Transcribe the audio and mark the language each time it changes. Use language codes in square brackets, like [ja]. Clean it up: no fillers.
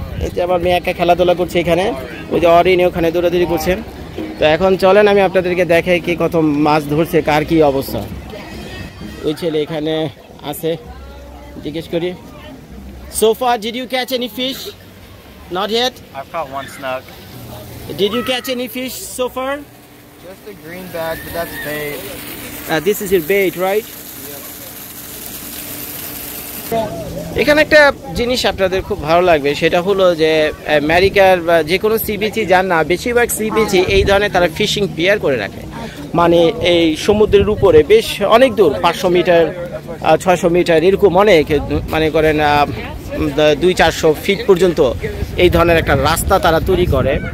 [bn] এতে আমার মেয়ে একা খেলাধুলা করছে এখানে, ওই যে অরিন ওখানে দৌড়াদৌড়ি করছে। তো এখন চলেন আমি আপনাদেরকে দেখাই কি কত মাছ ধরছে, কার কী অবস্থা। ওই ছেলে এখানে আছে, জিজ্ঞেস করি, [en] So far did you catch any fish? Not yet. I've caught one snook. Did you catch any fish so far? Just a green bag, but that's bait. This is your bait, right? [bn] এখানে একটা জিনিস আপনাদের খুব ভালো লাগবে, সেটা হলো যে আমেরিকার বা যে কোনো সিবিচি যান না, বেশিরভাগ সিবিচি এই ধরনের তারা ফিশিং পিয়ার করে রাখে, মানে এই সমুদ্রের উপরে বেশ অনেক দূর, 500 মিটার 600 মিটার এরকম অনেক, মানে করেন 200-400 ফিট পর্যন্ত এই ধরনের একটা রাস্তা তারা তৈরি করে।